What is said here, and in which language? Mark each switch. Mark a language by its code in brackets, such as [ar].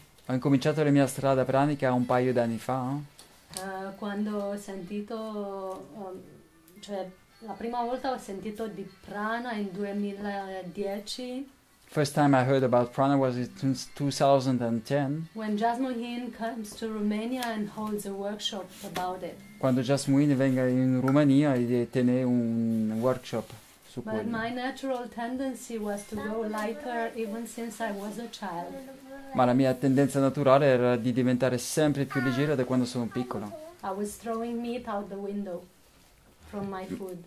[it] Ho incominciato la mia strada pranica un paio d'anni fa. Quando ho sentito, cioè la prima volta ho sentito di prana in 2010. [en] First time I heard about prana was in 2010. When Jasmine Hin comes to Romania and holds a workshop about it. [it] Quando Jasmine Hin venga in Romania e tiene un workshop su quello. [en] But my natural tendency was to go lighter even since I was a child. [it] Ma la mia tendenza naturale era di diventare sempre più leggera da quando sono piccolo. [en] I was throwing meat out the window from my food.